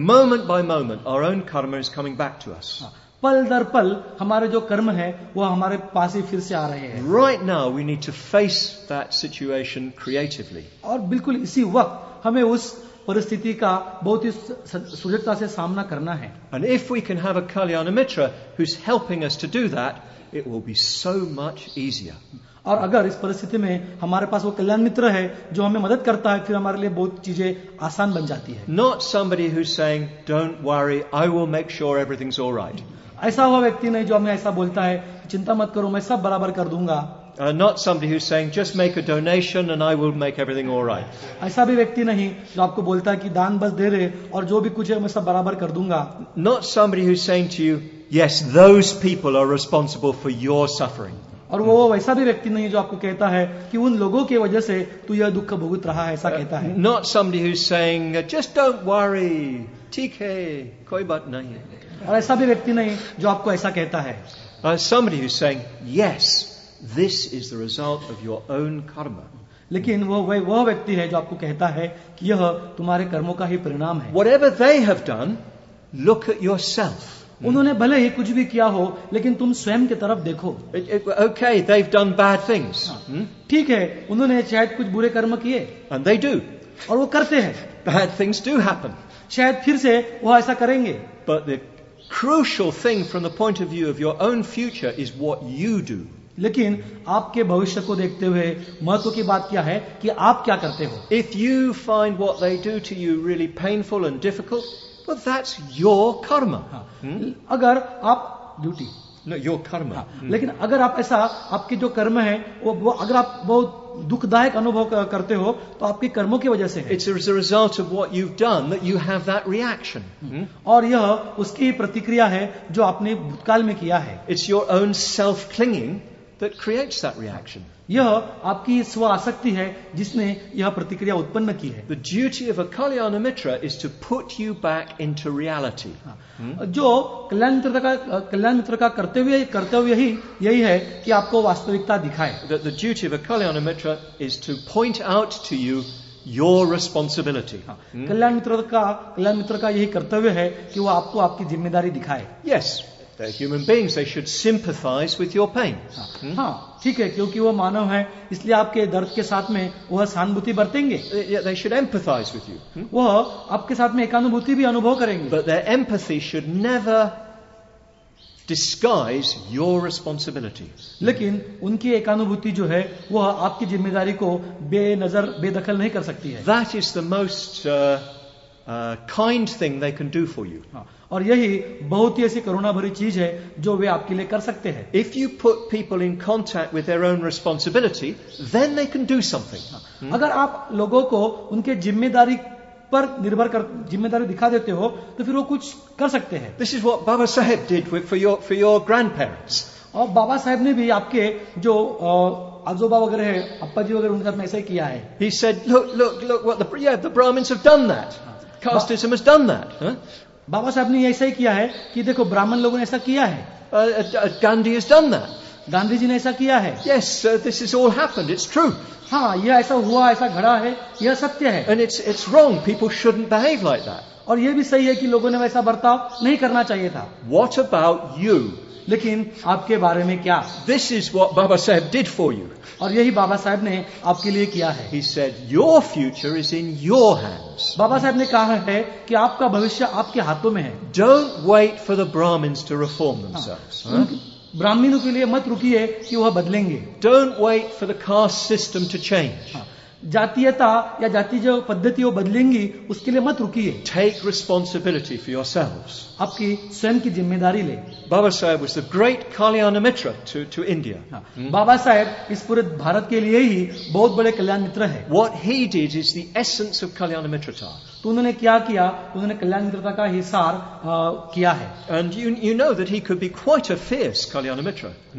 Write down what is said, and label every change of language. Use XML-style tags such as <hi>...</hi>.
<en>Moment by moment, our own karma is coming back to us.</en> <hi>पल दर पल हमारे जो कर्म है वो हमारे पास ही फिर से आ रहे हैं.</hi> <en>Right now, we need to face that situation creatively.</en> <hi>और बिल्कुल इसी वक्त हमें उस परिस्थिति का बहुत ही सुजगता से सामना करना है.</hi> <en>And if we can have a Kalyanamitra who's helping us to do that, it will be so much easier.</en> <hi>और अगर इस परिस्थिति में हमारे पास वो कल्याण मित्र है जो हमें मदद करता है फिर हमारे लिए बहुत चीजें आसान बन जाती है.</hi> <en>Not somebody who's saying, "Don't worry, I will make sure everything's all right."</en> <hi>ऐसा वह व्यक्ति नहीं जो हमें ऐसा बोलता है, चिंता मत करो, मैं सब बराबर कर दूंगा.</hi> <en>Not somebody who's saying, "Just make a donation and I will make everything all right."</en> <hi>ऐसा भी व्यक्ति नहीं जो आपको बोलता है कि दान बस दे रहे और जो भी कुछ है मैं सब बराबर कर दूंगा.</hi> <en>Not somebody who's saying to you, "Yes, those people are responsible for your suffering."</en> <hi>और वो वैसा भी व्यक्ति नहीं जो आपको कहता है कि उन लोगों के वजह से तू यह दुख भुगत रहा है ऐसा कहता है.</hi> <en>Not somebody who's saying, "Just don't worry,</en> <hi>ठीक है, कोई बात नहीं." और ऐसा भी व्यक्ति नहीं जो आपको ऐसा कहता है.</hi> <en>Somebody who's saying, "Yes, this is the result of your own karma."</en> <hi>लेकिन वो व्यक्ति है जो आपको कहता है कि यह तुम्हारे कर्मों का ही परिणाम है.</hi> <en>Whatever they have done, look at yourself.</en> <hi>उन्होंने भले ही कुछ भी किया हो लेकिन तुम स्वयं की तरफ देखो.</hi> <en>Okay, they've done bad things.</en> <hi>ठीक है, उन्होंने शायद कुछ बुरे कर्म किए.</hi> <en>And they do.</en> <hi>और वो करते हैं.</hi> <en>Bad things do happen.</en> <hi>शायद फिर से वो ऐसा करेंगे.</hi> <en>But the crucial thing from the point of view of your own future is what you do.</en> <hi>लेकिन आपके भविष्य को देखते हुए महत्व की बात क्या है कि आप क्या करते हो.</hi> <en>If you find what they do to you really painful and difficult, but that's your karma.</en> <hi>अगर आप duty.</hi> <en>No, your karma.</en> <hi>लेकिन अगर आप ऐसा आपके जो कर्म है वो अगर आप बहुत दुखदायक अनुभव करते हो तो आपके कर्मों की वजह से है.</hi> <en>It's a result of what you've done that you have that reaction.</en> <hi>और यह उसकी प्रतिक्रिया है जो आपने भूतकाल में किया है.</hi> <en>It's your own self-clinging that creates that reaction.</en> <hi>यह आपकी स्व आसक्ति है जिसने यह प्रतिक्रिया उत्पन्न की है.</hi> <en>The duty of a Kalyanamitra is to put you back into reality.</en> <hi>जो कल्याण मित्र का कर्तव्य ही यही है कि आपको वास्तविकता दिखाए.</hi> <en>The duty of a Kalyanamitra is to point out to you your responsibility.</en> <hi>कल्याण मित्र का यही कर्तव्य है कि वो आपको आपकी जिम्मेदारी दिखाए.</hi> <en>Yes, They're human beings. They should sympathize with your pain. They should empathize with you. But their empathy should never disguise your responsibility.</en> <hi>लेकिन उनकी एकानुभूति जो है वह आपकी जिम्मेदारी को बेनजर बेदखल नहीं कर सकती है.</hi> <en>That is the most kind thing they can do for you.</en> <hi>और यही बहुत ही ऐसी करुणा भरी चीज है जो वे आपके लिए कर सकते हैं.</hi> <en>If you put people in contact with their own responsibility, then they can do something.</en> <hi>अगर आप लोगों को उनके जिम्मेदारी पर निर्भर कर जिम्मेदारी दिखा देते हो तो फिर वो कुछ कर सकते हैं.</hi> <en>This is what Baba Saheb did for your grandparents.</en> <hi>और बाबा साहेब ने भी आपके जो अजोबा वगैरह है अप्पा जी वगैरह उनके साथ ऐसा ही किया है.</hi> <en>He said, look what the Brahmins have done that. Casteism has done that.</en> <hi>Baba Saheb ने ऐसा ही किया है कि देखो ब्राह्मण लोगों ने ऐसा किया है.</hi> <en>Gandhi has done that.</en> <hi>Gandhi ji ने ऐसा किया है.</hi> <en>Yes, this has all happened. It's true.</en> <hi>हाँ, यह ऐसा हुआ, ऐसा घड़ा है, यह सत्य है.</hi> <en>And it's wrong. People shouldn't behave like that.</en> <hi>और यह भी सही है कि लोगों ने वैसा बर्ताव नहीं करना चाहिए था.</hi> <en>What about you?</en> <hi>लेकिन आपके बारे में क्या?</hi> <en>This is what Baba Saheb did for you.</en> <hi>और यही बाबा साहेब ने आपके लिए किया है.</hi> <en>He said, your future is in your hands.</en> <hi>Baba Saheb ने कहा है कि आपका भविष्य आपके हाथों में है.</hi> <en>Don't wait for the Brahmins to reform themselves.</en> <hi>ब्राह्मणों के लिए मत रुकिए कि वह बदलेंगे.</hi> <en>Don't wait for the caste system to change.</en> <hi>जातीयता या जाति जो पद्धति वो बदलेंगी उसके लिए मत रुकिए.</hi> <en>Take responsibility for yourselves.</en> <hi>आपकी स्वयं की जिम्मेदारी ले.</hi> <en>Baba Saheb was the great Kalyana Mitra to India.</en> <hi>Baba Saheb इस पूरे भारत के लिए ही बहुत बड़े कल्याण मित्र है.</hi> <en>What he did is the essence of Kalyana Mitrata.</en> <hi>तो उन्होंने क्या किया? उन्होंने कल्याण मित्रता का हिसार किया है.</hi> <en>And you know that he could be quite a fierce Kalyana Mitra.</en>